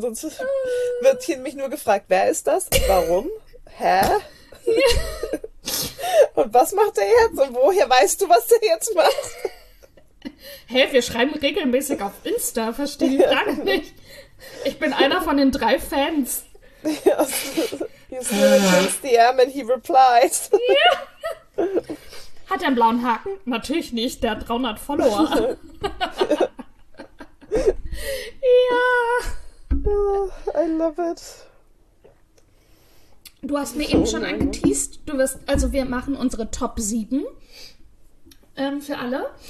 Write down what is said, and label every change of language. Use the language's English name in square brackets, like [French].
[German] Sonst wird hier mich nur gefragt, wer ist das? Warum? Hä? Ja. Und was macht der jetzt? Und woher weißt du, was der jetzt macht? Hä, wir schreiben regelmäßig auf Insta, verstehe ich gar nicht. Ich bin einer von den 3 Fans. [English] Yes. He's gonna chase the M and he replies. [German] Ja. Hat er einen blauen Haken? Natürlich nicht, der hat 300 Follower. Ja. [English] Oh, I love it. [German] Du hast mir eben schon angeteased. Du wirst, also wir machen unsere Top 7 für alle.